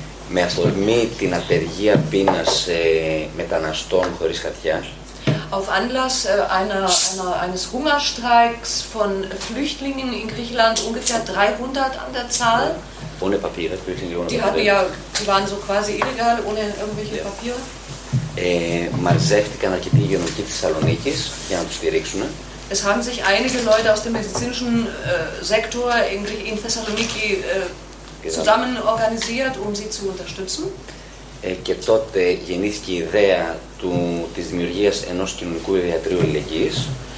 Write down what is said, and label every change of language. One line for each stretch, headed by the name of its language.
Greek: Με αφορμή την απεργία πείνας μεταναστών χωρίς χαρτιά.
German: Auf Anlass eines Hungerstreiks von Flüchtlingen in Griechenland, ungefähr 300 an der Zahl. Ohne Papiere, Flüchtlinge ohne Papiere. Die waren so quasi illegal, ohne irgendwelche Papiere.
Greek: Μαζεύτηκαν αρκετοί υγειονομικοί της Θεσσαλονίκης για να τους στηρίξουν.
German: Es haben sich einige Leute aus dem medizinischen Sektor in Thessaloniki zusammen organisiert, um sie zu unterstützen.
Greek: Και τότε γεννήθηκε η ιδέα της δημιουργίας ενός κοινωνικού ιατρείου αλληλεγγύης.